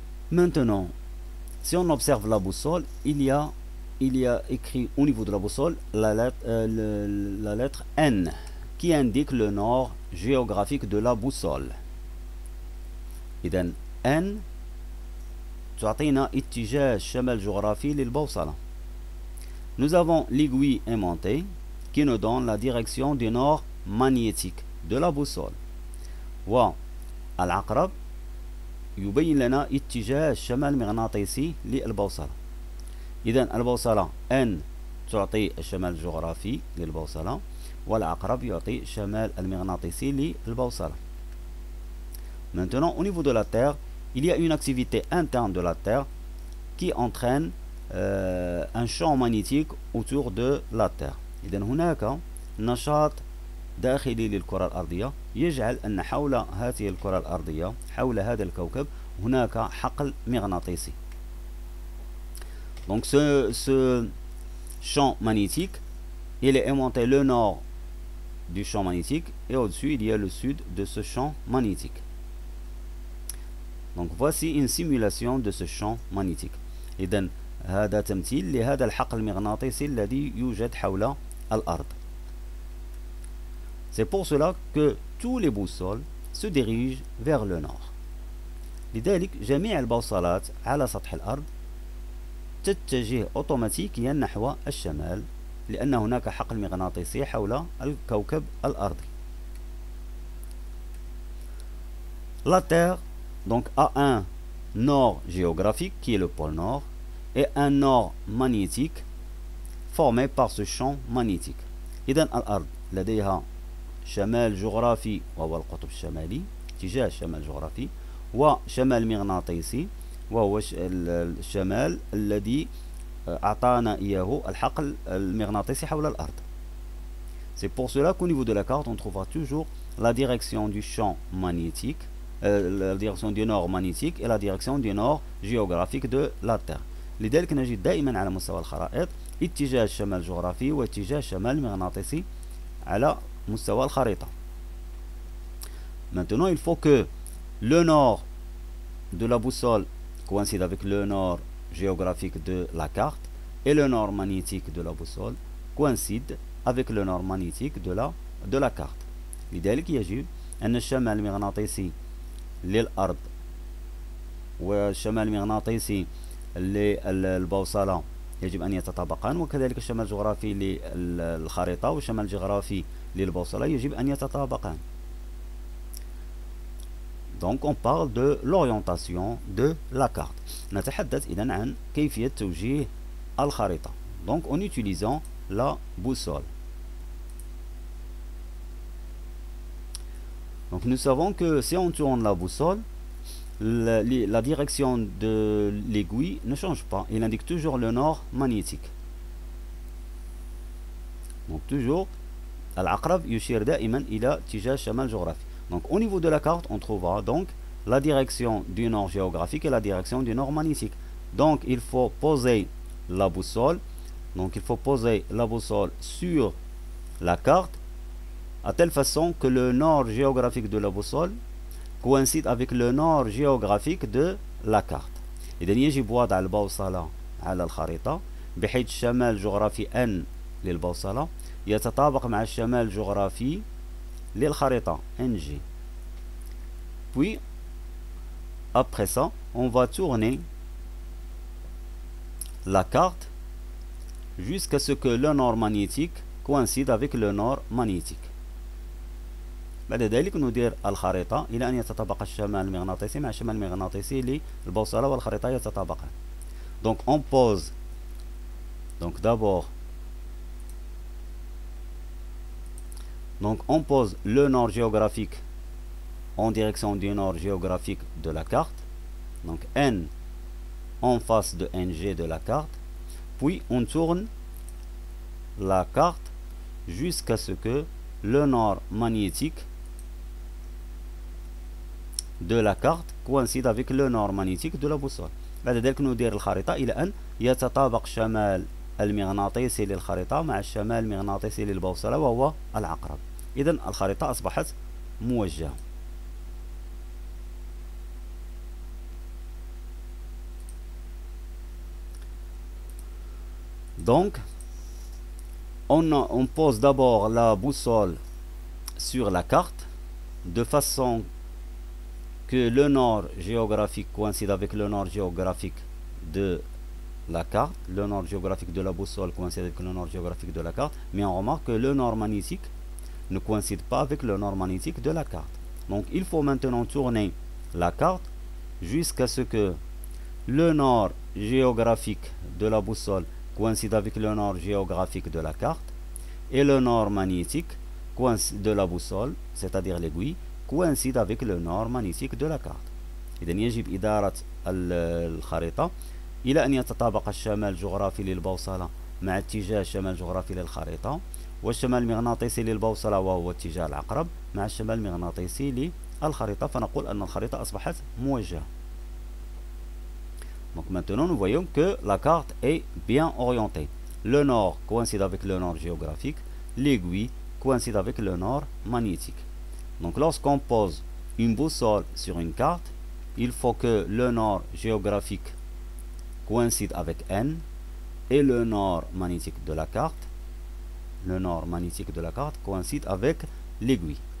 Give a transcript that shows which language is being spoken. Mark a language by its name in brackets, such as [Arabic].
[French] Maintenant, si on observe la boussole, il y a écrit au niveau de la boussole la lettre N qui indique le nord géographique de la boussole. Et then N, [Arabic] تعطينا اتجاه الشمال جغرافي للبوصلة. [French] Nous avons l'aiguille aimantée qui nous donne la direction du nord magnétique de la boussole. [Arabic] والعقرب يبين لنا اتجاه الشمال المغناطيسي للبوصلة. إذن البوصلة N تعطي الشمال الجغرافي للبوصلة والعقرب يعطي الشمال المغناطيسي للبوصلة. [French] Maintenant au niveau de la Terre, il y a une activité interne de la Terre qui entraîne un champ magnétique autour de la Terre. [Arabic] إذن هناك نشاط داخلي للكرة الأرضية يجعل أن حول هذه الكرة الأرضية حول هذا الكوكب هناك حقل مغناطيسي. [French] Donc ce champ magnétique, il est aimanté le nord du champ magnétique et au-dessus il y a le sud de ce champ magnétique. Donc voici une simulation de ce champ magnétique. [Arabic] إذن هذا تمثيل لهذا الحقل المغناطيسي الذي يوجد حول الأرض. [French] C'est pour cela que tous les boussoles se dirigent vers le nord. [Arabic] لذلك جميع البوصلات على سطح الأرض تتجه أوتوماتيكيا نحو الشمال لأن هناك حقل مغناطيسي حول الكوكب الأرضي. [French] La Terre donc a un nord géographique qui est le pôle nord. Et un nord magnétique formé par ce champ magnétique. [Arabic] إذن الأرض لديها شمال جغرافي وهو القطب الشمالي اتجاه الشمال الجغرافي وشمال مغناطيسي وهو الشمال الذي أعطانا إياه الحقل المغناطيسي حول الأرض. [French] C'est pour cela qu'au niveau de la carte on trouvera toujours la direction du champ magnétique, la direction du nord magnétique et la direction du nord géographique de la Terre. [Arabic] لذلك نجد دائما على مستوى الخرائط اتجاه الشمال الجغرافي واتجاه الشمال المغناطيسي على مستوى الخريطة. [French] Maintenant, il faut que le nord de la boussole coïncide avec le nord géographique de la carte et le nord magnétique de la boussole coïncide avec le nord magnétique de la carte. [Arabic] لذلك يجب أن الشمال المغناطيسي للأرض والشمال المغناطيسي للبوصلة يجب أن يتطابقان وكذلك الشمال الجغرافي للخريطة والشمال الجغرافي للبوصلة يجب أن يتطابقان. [French] Donc on parle de l'orientation de la carte. [Arabic] نتحدث إذن عن كيفية توجيه الخريطة. [French] Donc en utilisant la boussole. Donc nous savons que si on tourne la boussole, la direction de l'aiguille ne change pas. Il indique toujours le nord magnétique. Donc toujours, [Arabic] l'aqrab yushir da'iman ila tijah shamal geografi. [French] Donc au niveau de la carte, on trouvera donc la direction du nord géographique et la direction du nord magnétique. Donc il faut poser la boussole. Donc il faut poser la boussole sur la carte à telle façon que le nord géographique de la boussole coïncide avec le nord géographique de la carte. Et donc, [Arabic] يجب وضع البوصلة على الخريطة بحيث الشمال الجغرافي N للبوصلة يتطابق مع الشمال الجغرافي للخريطة NG. [French] Puis, après ça, on va tourner la carte jusqu'à ce que le nord magnétique coïncide avec le nord magnétique. [Arabic] بعد ذلك ندير الخريطة إلى أن يتطابق الشمال المغناطيسي مع الشمال المغناطيسي للبوصلة والخريطة يتطابقان. [French] Donc on pose. Donc d'abord. Donc on pose le nord géographique en direction du nord géographique de la carte. Donc N en face de NG de la carte. Puis on tourne la carte jusqu'à ce que le nord magnétique de la carte coïncide avec le nord magnétique de la boussole. [Arabic] بعد ذلك ندير الخريطة إلى أن يتطابق شمال المغناطيسي للخريطة مع الشمال المغناطيسي للبوصلة وهو العقرب. إذن الخريطة أصبحت موجهة. [French] Donc on pose d'abord la boussole sur la carte de façon que le nord géographique coïncide avec le nord géographique de la carte, le nord géographique de la boussole coïncide avec le nord géographique de la carte, mais on remarque que le nord magnétique ne coïncide pas avec le nord magnétique de la carte. Donc il faut maintenant tourner la carte jusqu'à ce que le nord géographique de la boussole coïncide avec le nord géographique de la carte et le nord magnétique de la boussole, c'est-à-dire l'aiguille, coïncide avec le nord magnétique de la carte. Et donc, [Arabic] يجب إدارة الخريطة إلى أن يتطابق الشمال الجغرافي للبوصلة مع اتجاه الشمال الجغرافي للخريطة والشمال المغناطيسي للبوصلة وهو اتجاه العقرب مع الشمال المغناطيسي للخريطة، فنقول أن الخريطة أصبحت موجهة. [French] Donc maintenant nous voyons que la carte est bien orientée. Le nord coïncide avec le nord géographique, l'aiguille coïncide avec le nord magnétique. Donc lorsqu'on pose une boussole sur une carte, il faut que le nord géographique coïncide avec N et le nord magnétique de la carte, le nord magnétique de la carte coïncide avec l'aiguille.